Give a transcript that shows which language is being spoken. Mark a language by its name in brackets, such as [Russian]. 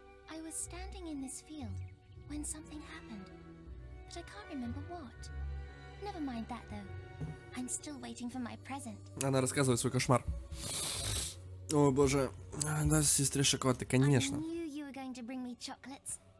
[English] I was standing in this field when something happened, but I can't remember what. Never mind that, though. I'm still waiting for my present. [Russian] Она рассказывает свой кошмар. О боже, да, сестре шоколады, конечно. [English] I knew you were going to bring me chocolates.